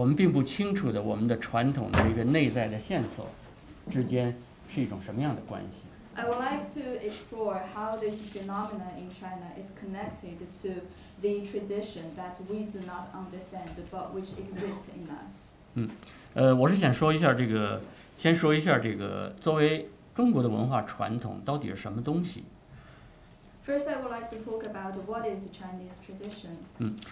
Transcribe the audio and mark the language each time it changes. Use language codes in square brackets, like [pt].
[en] these phenomenons in China. I would like to explore how this phenomenon in China is connected to the tradition that we do not understand but which exists in us. [zh] 我是想说一下这个，先说一下这个，作为中国的文化传统到底是什么东西。 [en] First, I would like to talk about what is Chinese tradition.